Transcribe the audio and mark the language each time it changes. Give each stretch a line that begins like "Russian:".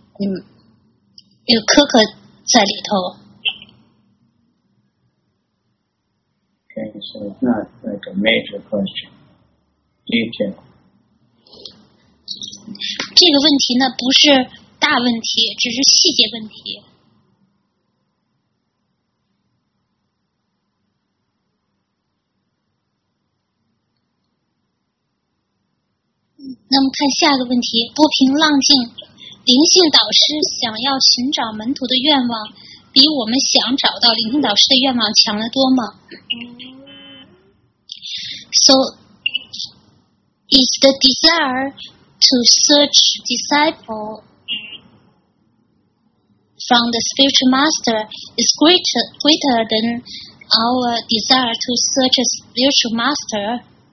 Chinese: 大部分巧克力呢，它只不过是由糖还有别的一些成分组成的。真正的纯的巧克力是很苦的，人们就不会喜欢吃。大部分巧克力的，只有很少量的这种真正的纯的，有可可在里头。
English: Okay, so it's not like a major question. Detail.
Chinese: 这个问题呢，不是大问题，只是细节问题。那么看下个问题：波平浪静，灵性导师想要寻找门徒的愿望，比我们想找到灵性导师的愿望强得多吗？
English: So, is the desire to search disciple from the spiritual master is greater than our desire to search a spiritual master?